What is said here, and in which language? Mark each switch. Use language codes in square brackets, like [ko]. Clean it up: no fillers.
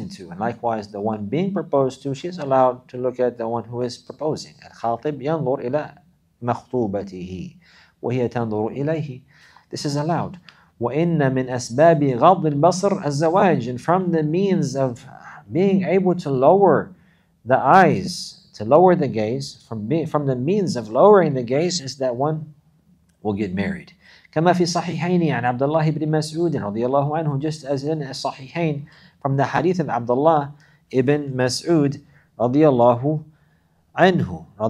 [en] And likewise, the one being proposed to, she's allowed to look at the one who is proposing. [ar] الخاطب ينظر إلى مخطوبته وهي تنظر إليه. [en] This is allowed. [ar] وإن من أسباب غض البصر الزواج. [en] And from the means of being able to lower the eyes, to lower the gaze, from the means of lowering the gaze, is that one will get married. [ar] كما في صحيحين عن عبد الله بن مسعود رضي الله عنه, [en] just as in [ar] الصحيحين [en] from the hadith of [ar] عبد الله ابن مسعود رضي الله عنه